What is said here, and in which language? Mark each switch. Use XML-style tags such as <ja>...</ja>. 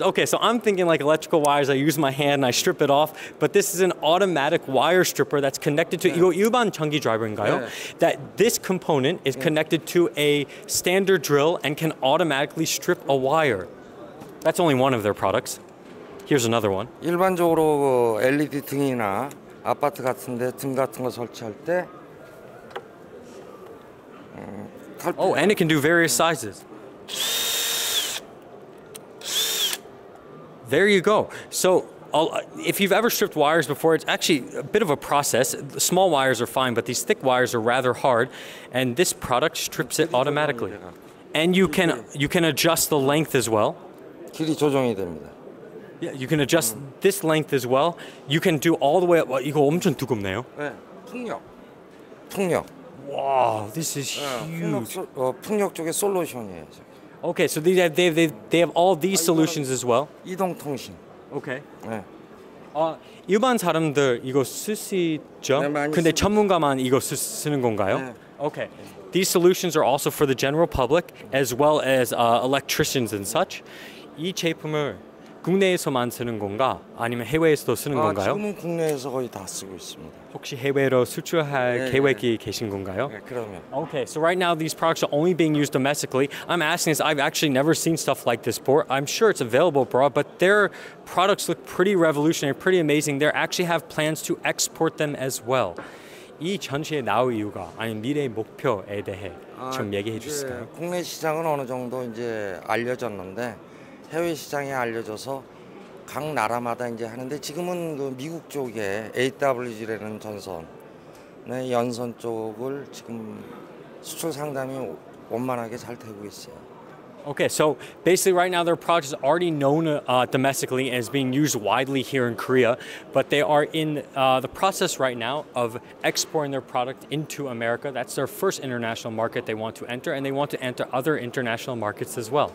<en>Okay, so I'm thinking like electrical wires, I use my hand and I strip it off, but this is an automatic wire stripper that's connected to,</en> <ko>이거 일반 전기 드라이버인가요?</ko> <en>That this component is connected to a standard drill and can automatically strip a wire. That's only one of their products. Here's another one.</en> <ko>일반적으로 LED 등이나 아파트 같은데 등 같은 거 설치할 때</ko> <en>Oh, and it can do various sizes. There you go. So, if you've ever stripped wires before, it's actually a bit of a process. The small wires are fine, but these thick wires are rather hard, and this product strips it automatically. And you can adjust the length as well.</en> <ko>길이 조정이 됩니다.</ko> <en>Yeah, you can adjust this length as well. You can do all the way up.</en> <ko>이거 엄청 두껍네요. 네, 풍력. 풍력.</ko> <en>Wow, this is huge.</en> <ko>풍력 쪽에 솔루션이에요.</ko> <en>Okay, so they have all these solutions as well.</en> <ko>이동통신.</ko> <en>Okay.</en> <ko>네. 일반 사람들 이거 쓰시죠? 네, 많이 근데 전문가만 이거 쓰는 건가요? 네.</ko> <en>Okay. These solutions are also for the general public as well as electricians and such.</en> <ko>이 제품을 국내에서만 쓰는 건가? 아니면 해외에서도 쓰는 건가요? 지금은 국내에서 거의 다 쓰고 있습니다. 혹시 해외로 수출할 계획이 계신 건가요? 네, 그러면.</ko> <en>Okay, so right now these products are only being used domestically. I'm asking this, I've actually never seen stuff like this before. I'm sure it's available abroad, but their products look pretty revolutionary, pretty amazing. They actually have plans to export them as well.</en> <ko>이 전시에 나올 이유가 아니면 미래의 목표에 대해 좀 얘기해 주실까요? 국내 시장은 어느 정도 이제 알려졌는데 해외 시장에 알려져서 각 나라마다 이제 하는데 지금은 그 미국 쪽에 AWG라는 전선의 연선 쪽을 지금 수출 상담이 원만하게 잘 되고 있어요.</ko> <en>Okay, so basically right now their product is already known domestically and is being used widely here in Korea, but they are in the process right now of exporting their product into America. That's their first international market they want to enter, and they want to enter other international markets as well.</en>